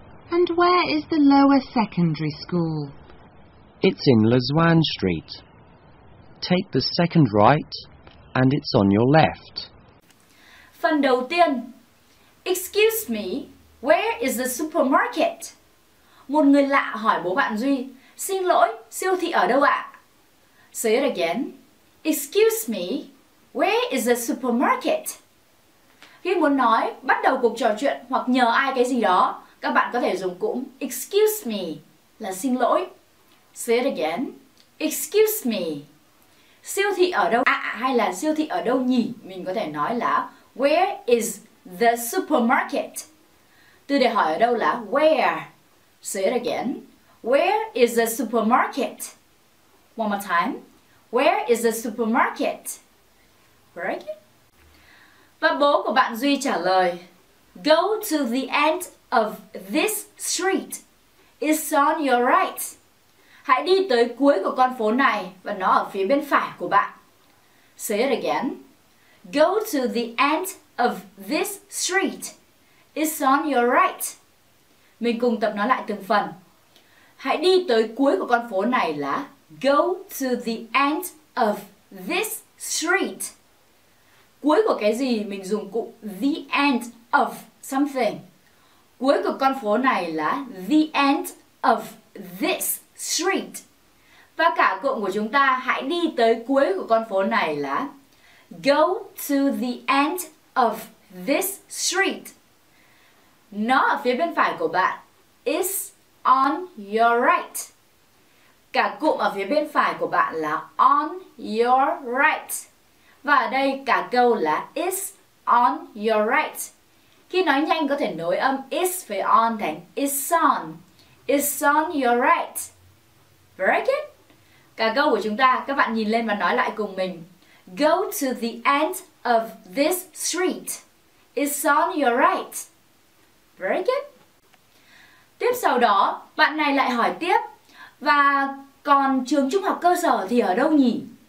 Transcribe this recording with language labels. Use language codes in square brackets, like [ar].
[en] And where is the lower secondary school? It's in Lazuan Street. Take the second right, and it's on your left. [vi] Phần đầu tiên. [en] Excuse me, where is the supermarket? [vi] Một người lạ hỏi bố bạn Duy, xin lỗi, siêu thị ở đâu ạ? [en] Say it again. Excuse me, where is the supermarket? [vi] Khi muốn nói, bắt đầu cuộc trò chuyện hoặc nhờ ai cái gì đó, các bạn có thể dùng cụm excuse me là xin lỗi. [en] Say it again. Excuse me. Siêu thị ở đâu ạ? [vi] Hay là siêu thị ở đâu nhỉ? Mình có thể nói là where is the supermarket? Từ để hỏi ở đâu là where. Say it again. [en] Where is the supermarket? One more time. Where is the supermarket? Very good. [vi] Và bố của bạn Duy trả lời, go to the end of this street. [en] It's on your right. Hãy đi tới cuối của con phố này và nó ở phía bên phải của bạn. Say it again. Go to the end of this street. It's on your right. [vi] Mình cùng tập nói lại từng phần. Hãy đi tới cuối của con phố này là go to the end of this street. Cuối của cái gì mình dùng cụm the end of something. Cuối của con phố này là the end of this street. Và cả cụm của chúng ta hãy đi tới cuối của con phố này là go to the end of this street. Nó ở phía bên phải của bạn. It's on your right. Cả cụm ở phía bên phải của bạn là on your right. Và ở đây cả câu là is on your right. Khi nói nhanh có thể nối âm is với on thành is on. Is on your right. Very good. Cả câu của chúng ta, các bạn nhìn lên và nói lại cùng mình. [en] Go to the end of this street. Is on your right. Very good. [vi] Tiếp sau đó, bạn này lại hỏi tiếp. Và còn trường trung học cơ sở thì ở đâu nhỉ?